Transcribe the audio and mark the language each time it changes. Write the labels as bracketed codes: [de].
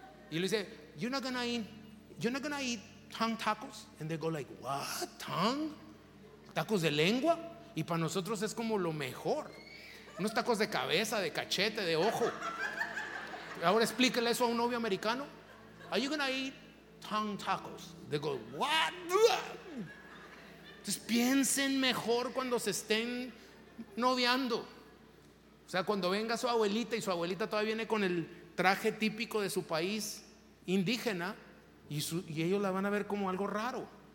[es] Y le dice: [en] you're not gonna eat tongue tacos? And they go like, what? Tongue? [es] Tacos de lengua. Y para nosotros es como lo mejor, unos tacos de cabeza, de cachete, de ojo. Ahora explíquele eso a un novio americano. [en] Are you gonna eat tongue tacos? They go, what? [es] Entonces piensen mejor cuando se estén noviando. O sea, cuando venga su abuelita, y su abuelita todavía viene con el traje típico de su país indígena, y ellos la van a ver como algo raro.